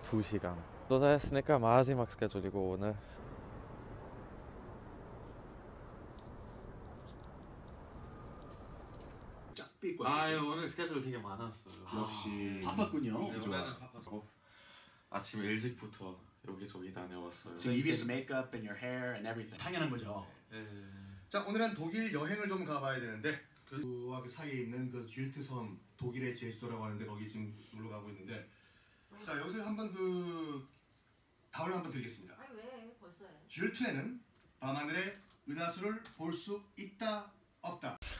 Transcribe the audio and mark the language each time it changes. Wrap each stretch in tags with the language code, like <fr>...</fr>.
<ko>2시간 도착했으니까 마지막 스케줄이고 오늘 아유 오늘 스케줄 되게 많았어요. 역시 바빴군요. 이번에는 바빴어. 아침 일찍부터 여기저기 다녀왔어요.</ko> <en>So EBS makeup and your hair and everything.</en> <ko>당연한 거죠. 네. 자 오늘은 독일 여행을 좀 가봐야 되는데 그와 그 사이에 있는 그 쥐트섬 독일의 제주도라고 하는데 거기 지금 놀러 가고 있는데 자 여기서 한번 그 답을 한번 드리겠습니다. 아니 왜 벌써 해? 쥐트에는 밤하늘의 은하수를 볼 수 있다 없다.</ko>